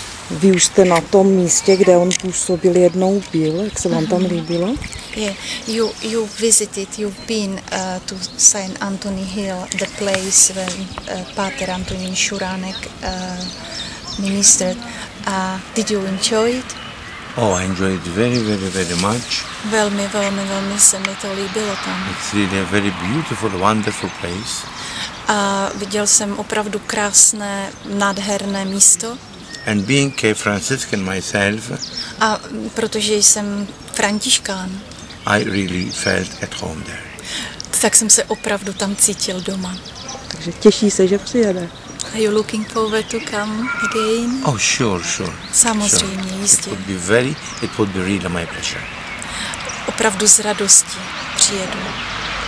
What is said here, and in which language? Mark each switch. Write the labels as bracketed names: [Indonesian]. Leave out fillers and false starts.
[Czech] Vy už jste na tom místě, kde on působil, jednou byl, jak se vám tam líbilo? [English] Yeah, you visited, you've been to Saint Anthony Hill, the place where Pater Antonín Šuránek ministered. Did you enjoy it? Oh, I enjoyed very, very, very much. [Czech] Velmi, velmi, velmi se mi to líbilo tam. [English] It's really a very beautiful, wonderful place. [Czech] A viděl jsem opravdu krásné, nádherné místo. [English] And being a Franciscan myself, [Czech] a protože jsem františkán, [English] I really felt at home there. [Czech] Tak jsem se opravdu tam cítil doma. Takže těší se, že přijede. [English] Are you looking forward to come again? Oh, sure. [Czech] Samozřejmě, sure. Jistě. [English] It would be really my pleasure. [Czech] Opravdu s radostí přijedu.